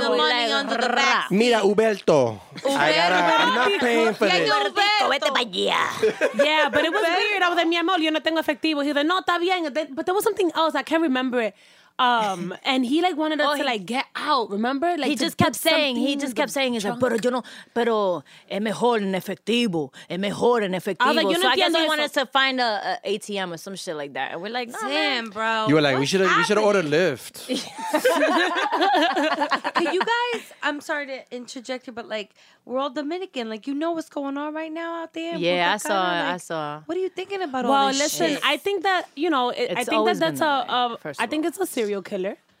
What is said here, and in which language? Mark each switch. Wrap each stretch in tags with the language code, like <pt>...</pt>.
<en>The money like, under the back. Mira, Uberto. I'm not paying for this.</en> <es>Uberto, vete para allá.</es> <en>Yeah, but it was weird. I was like,</en> <es>mi amor, yo no tengo efectivo.</es> <en>He was like,</en> <es>no, está bien.</es> <en>But there was something else. I can't remember it. And he like wanted us to like get out, remember? Like he just kept saying, he's like,</en> <es>pero es mejor en efectivo, es mejor en efectivo.</es> <en>I was like, I guess he wanted us to find an ATM or some shit like that. And we're like, damn, bro. You were like, we should have ordered Lyft. Can you guys, I'm sorry to interject you, but like, we're all Dominican. Like, you know what's going on right now out there? Yeah, Puerto I saw. What are you thinking about all this shit? Well, listen, I think it's a serial killer.</en>